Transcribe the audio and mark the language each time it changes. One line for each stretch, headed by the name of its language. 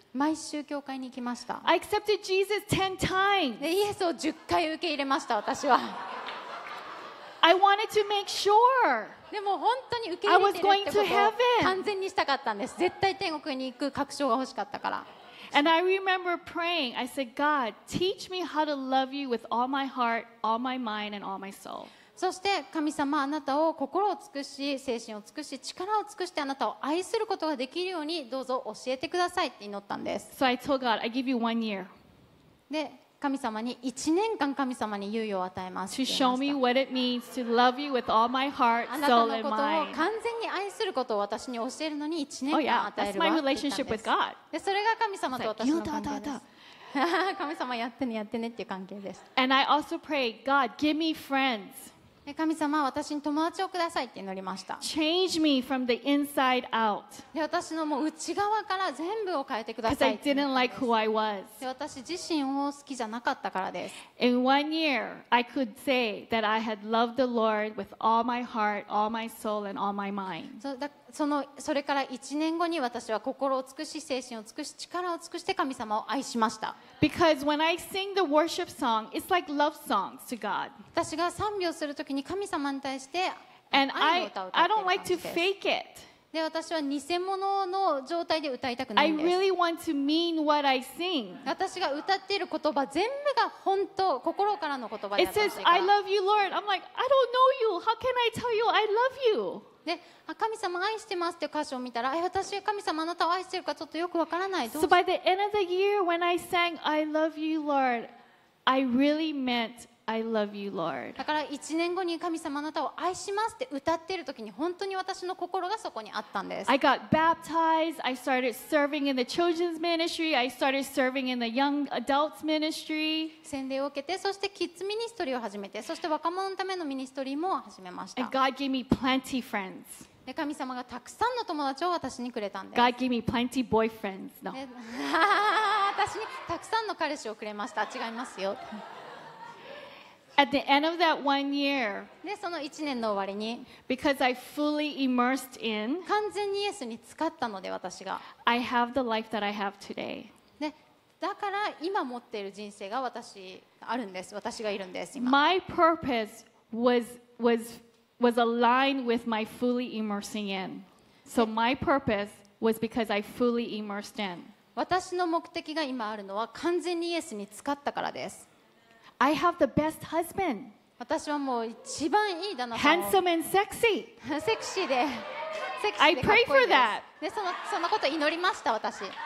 Japanese: 毎週教会に行きました。
English: I accepted Jesus 10 times.
Japanese: で、イエスを10回受け入れました、私は。
English: I wanted to make sure.
Japanese: でも本当に受け入れてるってことを。
English: I was going to heaven.
Japanese: 完全にしたかったんです。絶対天国に行く確証が欲しかったから。
English: And I remember praying. I said, God, teach me how to love you with all my heart, all my mind, and all my soul.
Japanese: そして神様、あなたを心を尽くし、精神を尽くし、力を尽くしてあなたを愛することができるようにどうぞ教えてくださいって祈ったんです。
English: So I told God, I give you 1 year.
Japanese: で、神様に1年間神様に猶予を与えます。
English: To show me what it means to love you with all my heart, soul, and mind.
Japanese: あなたのことを完全に愛することを私に教えるのに1年間与えるわって言ったんです。
English: That's my relationship with God.
Japanese: で、それが神様と私の関係です。神様やってねやってねっていう関係です。
English: And I also pray, God, give me friends.
Japanese: 神様、私に友達をくださいって祈りました。
English: Change me from the inside out.
Japanese: で、私のもう内側から全部を変えてください。
English: Because I didn't like who I was.
Japanese: で、私自身を好きじゃなかったからです。
English: In 1 year, I could say that I had loved the Lord with all my heart, all my soul, and all my mind.
Japanese: それから1年後に私は心を尽くし、精神を尽くし、力を尽くして神様を愛しました。
English: Because when I sing the worship song, it's like love songs to God.
Japanese: 私が賛美をするときに神様に対して愛の歌を歌っている感じです。
English: And I don't like to fake it.
Japanese: で、私は偽物の状態で歌いたくないんです。
English: I really want to mean what I sing.
Japanese: 私が歌っている言葉全部が本当、心からの言葉であってほしいから。
English: It says, I love you, Lord. I'm like, I don't know you. How can I tell you I love you?
Japanese: で、あ、神様愛してますって歌詞を見たら、私は神様あなたを愛してるかちょっとよくわからない。
English: So by the end of the year, when I sang I love you, Lord, I really meant I love you, Lord.
Japanese: だから1年後に神様あなたを愛しますって歌っている時に本当に私の心がそこにあったんです。
English: I got baptized. I started serving in the children's ministry. I started serving in the young adults ministry.
Japanese: 洗礼を受けて、そしてキッズミニストリーを始めて、そして若者のためのミニストリーも始めました。
English: And God gave me plenty friends.
Japanese: で、神様がたくさんの友達を私にくれたんです。
English: God gave me plenty boyfriends. No.
Japanese: 私にたくさんの彼氏をくれました。違いますよ。
English: At the end of that one year,
Japanese: で、その1年の終わりに、
English: Because I fully immersed in,
Japanese: 完全にイエスに浸かったので私が、
English: I have the life that I have today.
Japanese: だから今持っている人生が私あるんです。私がいるんです。今。
English: My purpose was aligned with my fully immersing in. So my purpose was because I fully immersed in.
Japanese: 私の目的が今あるのは完全にイエスに浸かったからです。
English: I have the best husband.
Japanese: 私はもう一番いい旦那さん。
English: Handsome and sexy.
Japanese: セクシーで、セクシーで。
English: I pray for that.
Japanese: で、そのこと祈りました、私。